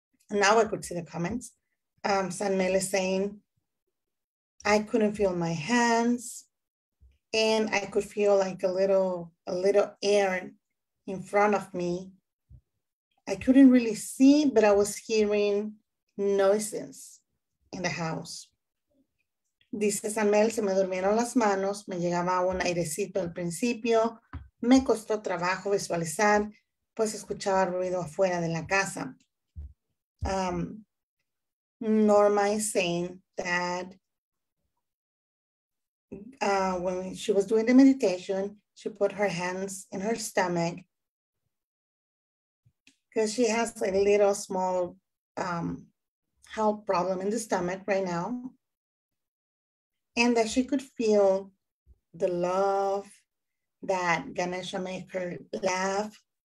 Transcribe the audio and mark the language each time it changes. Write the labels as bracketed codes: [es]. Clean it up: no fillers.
[en] And now I could see the comments. Sanmel is saying, I couldn't feel my hands and I could feel like a little air in front of me. I couldn't really see, but I was hearing noises in the house. [es] Dice Sanmel, se me durmieron las manos, me llegaba un airecito al principio. Me costó trabajo visualizar, pues escuchaba ruido afuera de la casa. [en] Norma is saying that when she was doing the meditation, she put her hands in her stomach because she has a little small health problem in the stomach right now, and that she could feel the love that Ganesha made her laugh.